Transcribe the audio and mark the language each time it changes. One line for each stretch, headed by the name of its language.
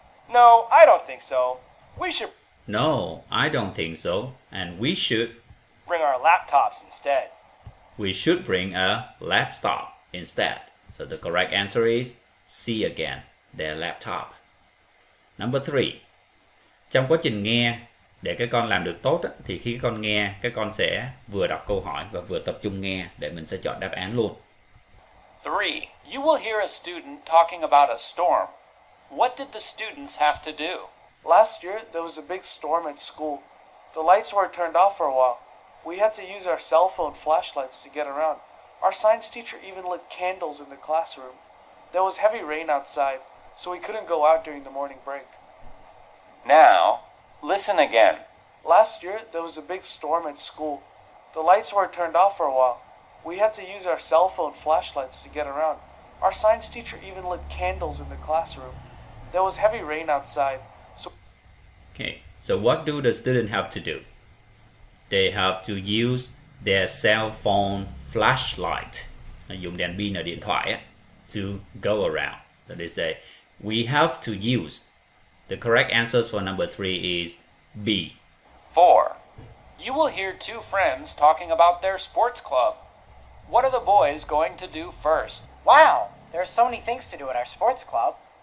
English: No, I don't think so. We should... No, I don't think so. And we should... Bring our laptops instead. We should bring a laptop instead. So the correct answer is C again, their laptop. Number three.
Vietnamese: Trong quá trình nghe, để các con làm được tốt thì khi các con nghe, các con sẽ vừa đọc câu hỏi và vừa tập trung nghe để mình sẽ chọn đáp án luôn.
English: 3. You will hear a student talking about a storm. What did the students have to do? Last year, there was a big storm at school. The lights were turned off for a while. We had to use our cell phone flashlights to get around. Our science teacher even lit candles in the classroom. There was heavy rain outside, so we couldn't go out during the morning break. Now, listen again. Last year, there was a big storm at school. The lights were turned off for a while. We had to use our cell phone flashlights to get around. Our science teacher even lit candles in the classroom. There was heavy rain outside, so... Okay, so what do the student have to do? They have to use their cell phone flashlight.
Vietnamese: Dùng đèn pin ở điện thoại
English: to go around. So they say, we have to use... The correct answers for number three is B. 4. You will hear two friends talking about their sports club. What are the boys going to do first? Wow, there are so many things to do at our sports club.